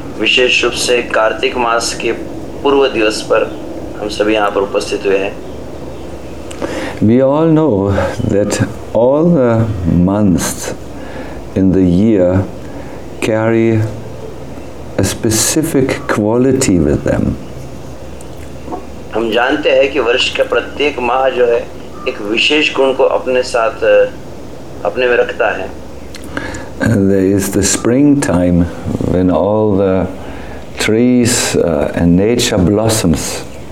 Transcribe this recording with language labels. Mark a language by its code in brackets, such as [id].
[hi] विशेष रूप से कार्तिक मास के पूर्व दिवस पर हम सभी यहाँ पर उपस्थित हुए हैं। [en] We all know that all the months in the year carry a specific quality with them। [hi] हम जानते हैं कि वर्ष का प्रत्येक माह जो है एक विशेष गुण को अपने साथ अपने में रखता है। [en] There is the spring time when all the trees and nature blossoms.